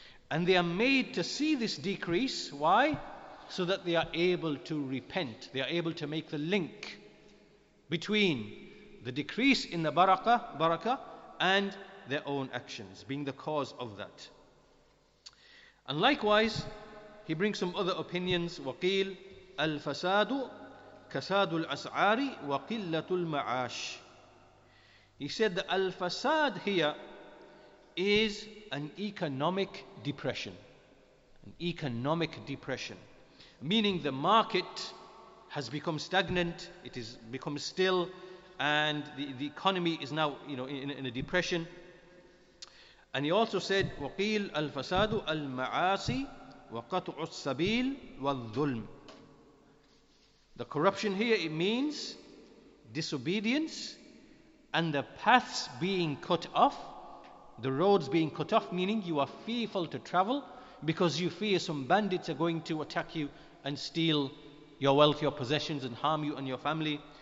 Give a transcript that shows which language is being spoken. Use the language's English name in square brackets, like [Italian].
[English] And they are made to see this decrease. Why? So that they are able to repent. They are able to make the link between the decrease in the barakah and their own actions, being the cause of that. And likewise, he brings some other opinions. [Arabic] وقيل الفساد كساد الأسعار وقلة المعاش. [English] He said that al-fasad here is an economic depression. An economic depression. Meaning the market has become stagnant, it has become still, and the economy is now, you know, in a depression. And he also said, [Arabic] وقيل الفساد المعاصي وَقَطْعُ السَّبِيلِ وَالظُّلْمِ. [English] The corruption here, it means disobedience and the paths being cut off, the roads being cut off, meaning you are fearful to travel because you fear some bandits are going to attack you and steal your wealth, your possessions, and harm you and your family.